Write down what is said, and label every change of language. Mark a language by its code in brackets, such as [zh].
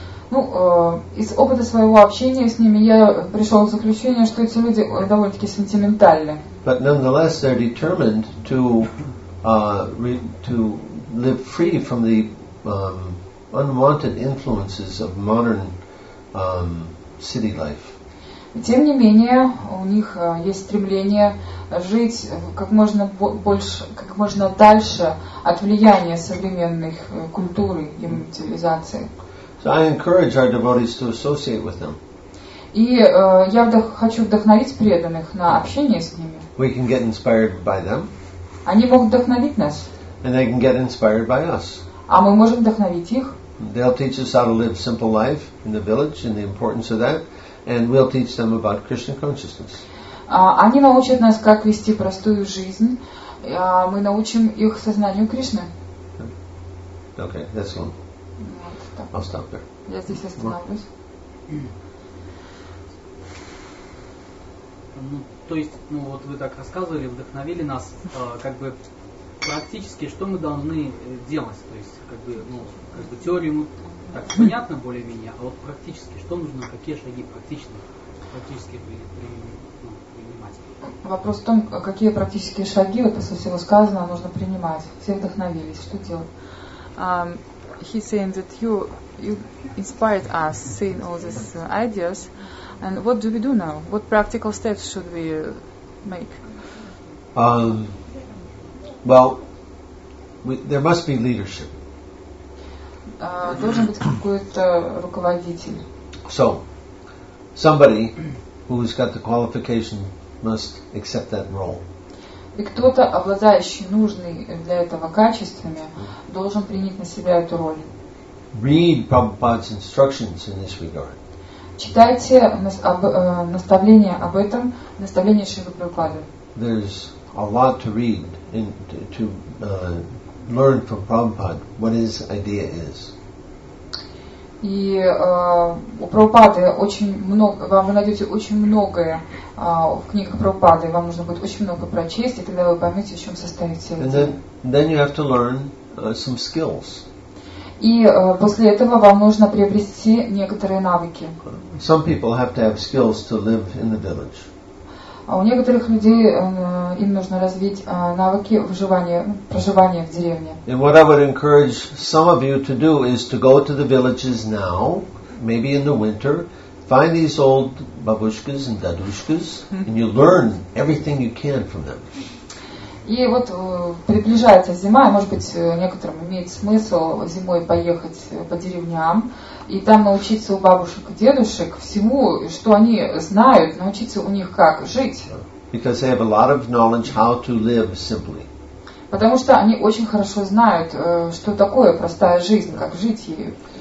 [ru] Ну, из опыта своего общения с ними я пришел к заключению, что эти люди довольно-таки сентиментальны. [en] But nonetheless, they're determined to live free from the unwanted influences of modern city life. [ru] Тем не менее, у них есть стремление жить как можно больше, как можно дальше от влияния современных культур и цивилизации. [en] So I encourage our devotees to associate with them. [ru] И я хочу вдохновить преданных на общение с ними. [en] We can get inspired by them. [ru] Они могут вдохновить нас. [en] And they can get inspired by us. [ru] А мы можем вдохновить их. [en] They'll teach us how to live simple life in the village and the importance of that. And we'll teach them about Krishna consciousness. [ru] Они научат нас, как вести простую жизнь. Мы научим их сознанию Кришны. [en] Okay, that's one. I'll stop there. [ru] Я здесь остановлюсь. Ну, то есть, ну вот вы так рассказывали, вдохновили нас, как бы практически, что мы должны делать? То есть, как бы, ну, как бы теорию мы. Так, понятно более-менее, а вот практически, что нужно, какие шаги практически принимать? Вопрос в том, какие практические шаги, вот после всего сказанного, нужно принимать. Все вдохновились, что делать? [en] He's saying that you inspired us, seeing all these ideas, and what do we do now? What practical steps should we make? Well, there must be leadership. [ru] Должен быть какой-то руководитель. [en] So, somebody who's got the qualification must accept that role. [ru] И кто-то, обладающий нужными для этого качествами, должен принять на себя эту роль. [en] Read Prabhupada's instructions in this regard. [ru] Читайте наставления об этом, наставления Шрилы Прабхупады. [en] There's a lot to read and to learn from Prabhupada what his idea is. [ru] И у Прабхупады очень много, вам вы найдете очень многое в книгах Прабхупады, вам нужно будет очень много прочесть, и тогда вы поймете, в чем состоит цель. [en] Then you have to learn some skills. [ru] И после этого вам нужно приобрести некоторые навыки. [en] Some people have to have skills to live in the village. [ru] У некоторых людей им нужно развить навыки выживания, проживания в деревне. [en] And what I would encourage some of you to do is to go to the villages now, maybe in the winter, find these old бабушкас and дадушкас, and you learn everything you can from them. [ru] И вот приближается зима, может быть, некоторым имеет смысл зимой поехать по деревням и там научиться у бабушек и дедушек всему, что они знают, научиться у них как жить. Потому что они очень хорошо знают, что такое простая жизнь, как жить ею.